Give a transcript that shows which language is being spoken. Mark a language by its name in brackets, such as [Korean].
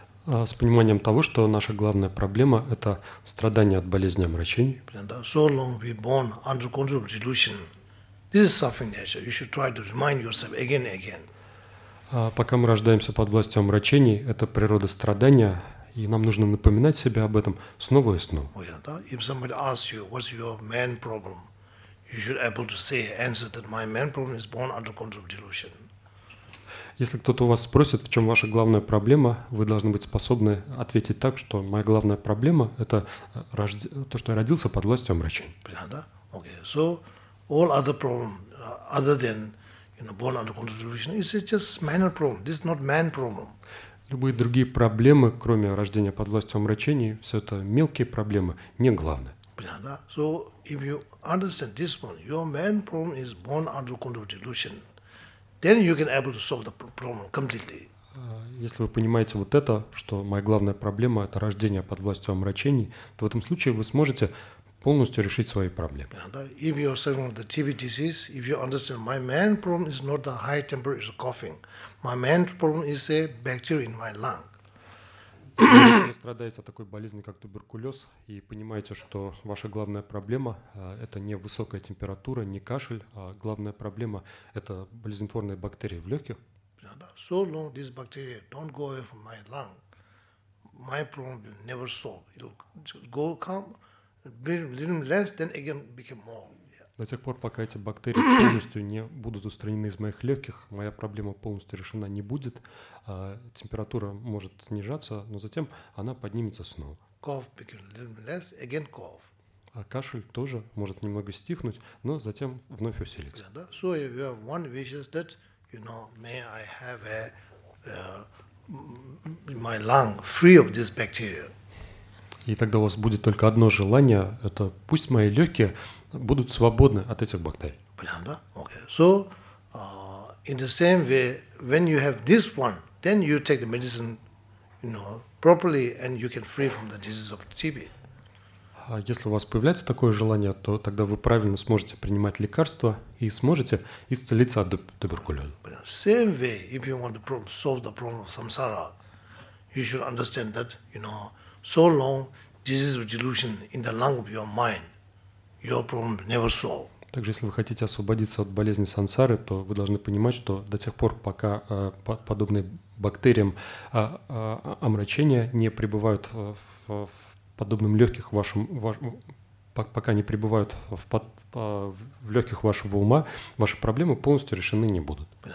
[Russian] С пониманием того, что наша главная проблема – это страдание от болезни омрачений. [English] So long we born under control of delusion. This is suffering nature. You should try to remind yourself again and again. [Russian] Пока мы рождаемся под властью омрачений, это природа страдания, и нам нужно напоминать себе об этом снова и снова. [English] If somebody asks you, what's your main problem, you should be able to say, answer that my main problem is born under control of delusion. [Russian] Если кто-то у вас спросит, в чем ваша главная проблема, вы должны быть способны ответить так, что моя главная проблема – это то, что я родился под властью омрачения. Да? [English] Okay. So, all other problems, other than, you know, born under constitution, is it just minor problem? This is not man problem. [Russian] Любые другие проблемы, кроме рождения под властью омрачений, все это мелкие проблемы, не главные. Понятно? [English] So, if you understand this one, your main problem is born under constitution, then you can able to solve the problem completely. [Russian] Если вы понимаете вот это, что моя главная проблема – это рождение под властью омрачений, то в этом случае вы сможете полностью решить свои проблемы. Понятно? [English] If you are suffering from the TB disease, if you understand my main problem is not the high temperature, it's coughing. My main problem is a bacteria in my lung. [Russian] Если вы страдаете от такой болезни, как туберкулез, и понимаете, что ваша главная проблема – это не высокая температура, не кашель, а главная проблема – это болезнетворные бактерии в легких. [English] So long these bacteria don't go away from my lung, my problem will never solve. It'll just go come, little less, then again become more. [Russian] До тех пор, пока эти бактерии полностью не будут устранены из моих легких, моя проблема полностью решена не будет. Температура может снижаться, но затем она поднимется снова. [English] Cough becomes a little less, again cough. [Russian] А кашель тоже может немного стихнуть, но затем вновь усилится. [English] Yeah, so if you have one wish that, you know, may I have a, my lung free of this bacteria. [Russian] И тогда у вас будет только одно желание, это пусть мои легкие будут свободны от этих бактерий. Понятно? [English] Okay. So, in the same way, when you have this one, then you take the medicine, you know, properly, and you can free from the disease of TB. [Russian] А если у вас появляется такое желание, то тогда вы правильно сможете принимать лекарства и сможете исцелиться от туберкулеза. [English] Same way, if you want to solve the problem of samsara, you should understand that, you know, so long disease of delusion in the lung of your mind, your problem never solve. [Russian] Также, если вы хотите освободиться от болезни сансары, то вы должны понимать, что до тех пор, пока подобные бактериям омрачения не пребывают в подобном легких вашем, пока не пребывают в легких вашего ума, ваши проблемы полностью решены не будут.